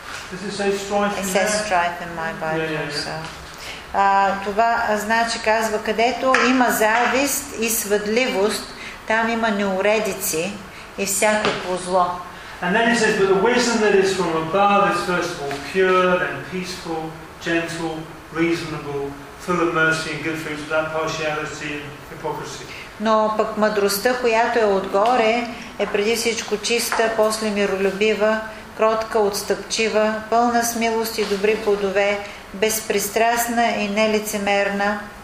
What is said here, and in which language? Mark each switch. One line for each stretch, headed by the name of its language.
English: Does it say strife in there? It says strife in my Bible, so.
Bulgarian: Това значи, казва, където има завист и сведливост, там има неуредици и всякакво зло.
English: And then it says, but the wisdom that is from above is first of all pure, then peaceful, gentle, reasonable, full of mercy and good fruits, without partiality and hypocrisy.
Bulgarian: Но пък мъдростта, която е отгоре, е преди всичко чиста, после миролюбива, кротка, отстъпчива, пълна с милост и добри плодове, безпристрастна и нелицемерна.